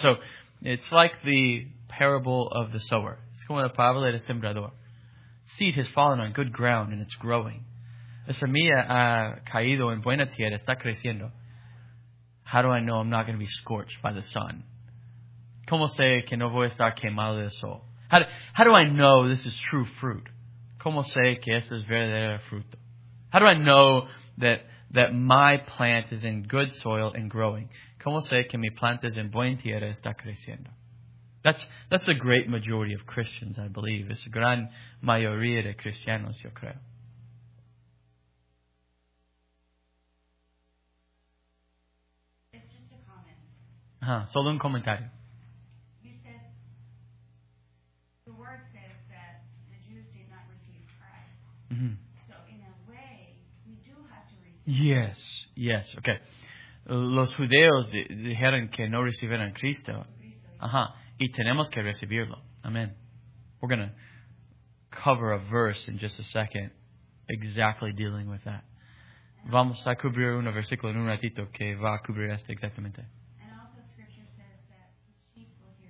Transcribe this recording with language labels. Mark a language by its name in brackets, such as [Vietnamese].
[English] So it's like the parable of the sower. It's [Spanish] como la parábola del sembrador. [English] Seed has fallen on good ground and it's growing. [Spanish] La semilla ha caído en buena tierra, está creciendo. [English] How do I know I'm not going to be scorched by the sun? [Spanish] ¿Cómo sé que no voy a estar quemado del sol? [English] How do I know this is true fruit? [Spanish] ¿Cómo sé que esto es verdadero fruto? [English] How do I know that my plant is in good soil and growing? [Spanish] ¿Cómo sé que mi planta es en buena tierra, está creciendo? [English] That's a great majority of Christians, I believe. [Spanish] It's a gran mayoría de cristianos, yo creo. [English] It's just a comment. [Spanish] Solo un comentario. [English] You said, the word says that the Jews did not receive Christ. Mm-hmm. So in a way, we do have to receive Christ. Yes, okay. [Spanish] Los judeos dijeron que no recibieron Cristo. Y tenemos que recibirlo. [English] Amen. We're going to cover a verse in just a second exactly dealing with that. [Spanish] Vamos a cubrir un versículo en un ratito que va a cubrir este exactamente. [English] And also scripture says that the sheep will hear